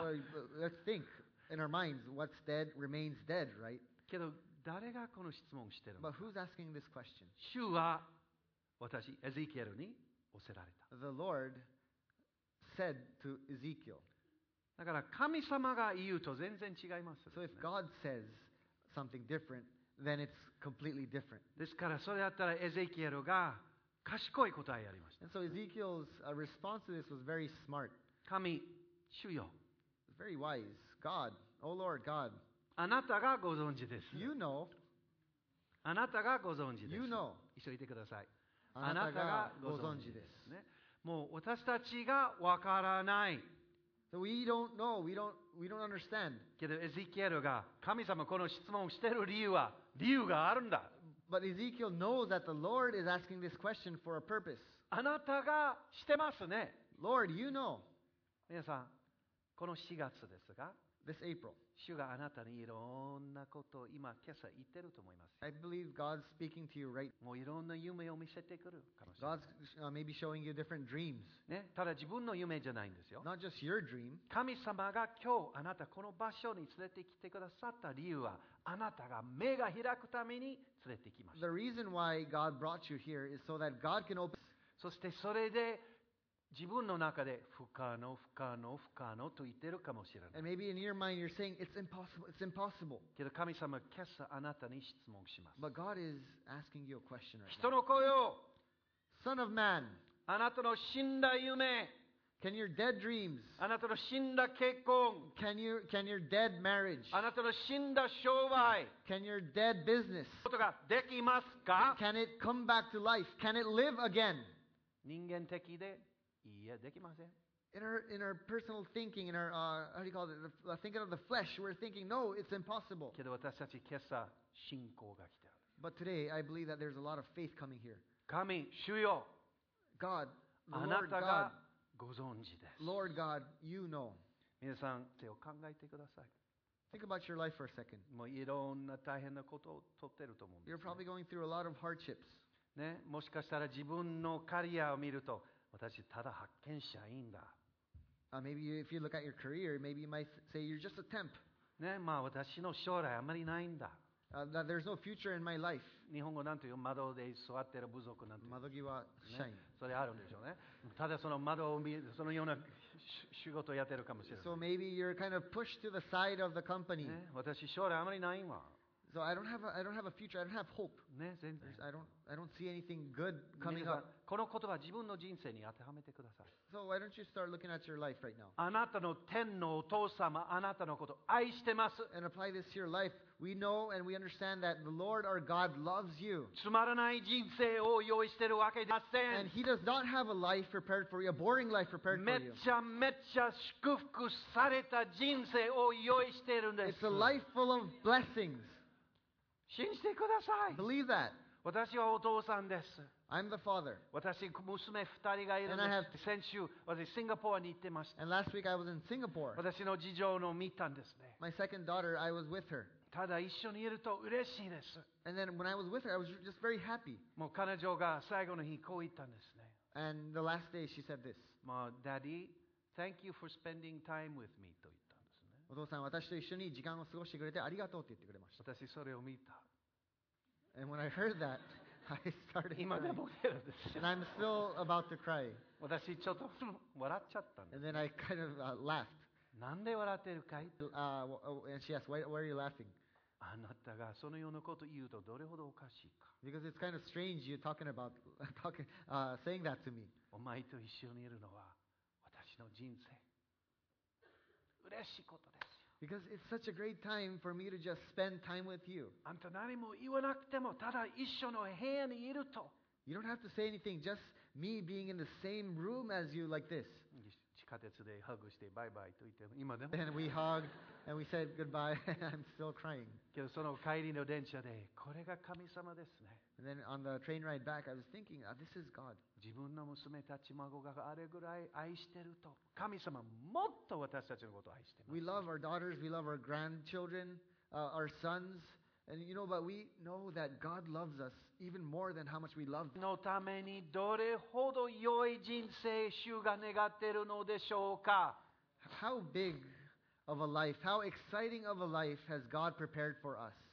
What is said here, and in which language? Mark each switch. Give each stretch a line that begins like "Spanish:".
English: Let's think in our minds what's dead remains dead, right?
Japanese: けど誰がこの質問をしてるのか。
English: But who's asking this question?
Japanese: 主は私、エゼキエルに仰せられた。
English: The Lord said to Ezekiel.
Japanese: だから神様が言うと全然違いますね。
English: So if God says something different, then it's completely different.
Japanese: ですからそれだったらエゼキエルが賢い答えやりました。
English: And so Ezekiel's response to this was very smart.
Japanese: 神、主よ。
English: Very wise. God, oh Lord, God.
Japanese: あなたがご存知です。
English: You know.
Japanese: あなたがご存知です。
English: You know.
Japanese: 一緒にいてください。あなたがご存知です。もう私たちがわからない。
English: So we don't know, we don't understand.
Japanese: けどエゼキエルが神様この質問をしている理由は理由があるんだ。
English: But Ezekiel knows that the Lord is asking this question for a purpose.
Japanese: あなたがしてますね。
English: Lord, you know.
Japanese: 皆さん、この4月ですが、
English: This April.
Japanese: 主があなたにいろんなことを今今朝言ってると思います。
English: I believe God's speaking to you right.
Japanese: もういろんな夢を見せてくるかもしれない。
English: God's maybe showing you different dreams.
Japanese: ね、ただ自分の夢じゃないんですよ。
English: Not just your dream.
Japanese: 神様が今日あなたこの場所に連れてきてくださった理由は、あなたが目が開くために連れてきました。
English: The reason why God brought you here is so that God can open.
Japanese: そしてそれで。自分の中で不可能不可能不可能と言ってるかもしれない。
English: And maybe in your mind you're saying it's impossible, it's impossible.
Japanese: けど神様今朝あなたに質問します。
English: But God is asking you a question right now.
Japanese: 人の子よ。
English: Son of man.
Japanese: あなたの死んだ夢。
English: Can your dead dreams.
Japanese: あなたの死んだ結婚。
English: Can your dead marriage.
Japanese: あなたの死んだ商売。
English: Can your dead business.
Japanese: ことができますか。
English: Can it come back to life? Can it live again?
Japanese: 人間的で。いやできません。
English: In our personal thinking, in our how do you call it, the thinking of the flesh, we're thinking, no, it's impossible.
Japanese: けど私たち今朝信仰が来てある。
English: But today, I believe that there's a lot of faith coming here.
Japanese: 神主よ。
English: God,
Japanese: あなたがご存知です。
English: Lord God, you know.
Japanese: 皆さん手を考えてください。
English: Think about your life for a second.
Japanese: もういろんな大変なことを取ってると思うんです、ね。
English: You're probably going through a lot of hardships.
Japanese: ね、もしかしたら自分のキャリアを見ると。私ただ派遣社員だ。
English: Maybe if you look at your career, maybe you might say you're just a temp.
Japanese: ね、まあ私の将来あまりないんだ。
English: That there's no future in my life.
Japanese: 日本語なんていう窓で座ってる部族なんていう。窓際社員、ね。それあるんでしょうね。ただその窓を見るそのような仕事をやってるかもしれない。
English: So maybe you're kind of pushed to the side of the company.
Japanese: ね、私将来あまりないわ。
English: So I don't have a future. I don't have hope.
Japanese: ね、
English: I don't see anything good coming up.
Japanese: この言葉自分の人生に当てはめてください。
English: So why don't you start looking at your life right now?
Japanese: あなたの天のお父様、あなたのこと愛してます。
English: And apply this to your life. We know and we understand that the Lord our God loves you.
Japanese: つまらない人生を用意してるわけではません。
English: And He does not have a life prepared for you, a boring life prepared for you.
Japanese: めっちゃめっちゃ祝福された人生を用意してるんです。
English: It's a life full of blessings.
Japanese: 信じてください。
English: Believe that.
Japanese: 私はお父さんです。
English: I'm the father.
Japanese: 私娘二人がいるんです。先週私シンガポールに行ってました。
English: And last week I was in Singapore.
Japanese: 私の次女を見たんですね。
English: My second daughter, I was with her.
Japanese: ただ一緒にいると嬉しいです。
English: And then when I was with her, I was just very happy.
Japanese: もう彼女が最後の日こう言ったんですね。
English: And the last day she said this.
Japanese: もう
English: Daddy, thank you for spending time with me
Japanese: と言った。お父さん、私と一緒に時間を過ごしてくれてありがとうと言ってくれました。私それを見た。
English: And when I heard that, I started crying.
Japanese: 今でも出るんですよ。
English: And I'm still about to cry.
Japanese: 私ちょっと笑っちゃったんです。
English: And then I kind of laughed.
Japanese: なんで笑ってるかい？
English: And she asked, why are you laughing?
Japanese: あなたがそのようなこと言うとどれほどおかしいか。
English: Because it's kind of strange you talking about, saying that to me.
Japanese: お前と一緒にいるのは私の人生。嬉しいことですよ。
English: Because it's such a great time for me to just spend time with you.
Japanese: あんた何も言わなくても、ただ一緒の部屋にいると。
English: You don't have to say anything. Just me being in the same room as you like this.
Japanese: 地下鉄でハグしてバイバイと言って、今でも。
English: And we hugged and we said goodbye. I'm still crying.
Japanese: けどその帰りの電車で、これが神様ですね。
English: And then on the train ride back, I was thinking, this is God.
Japanese: 自分の娘たち孫があれぐらい愛してると、神様もっと私たちのことを愛してます、ね。
English: We love our daughters. We love our grandchildren, our sons. And you know, but we know that God loves us even more than how much we love
Japanese: him. のためにどれほど良い人生主が願っているのでしょうか?
English: How big of a life, how exciting of a life has God prepared for us?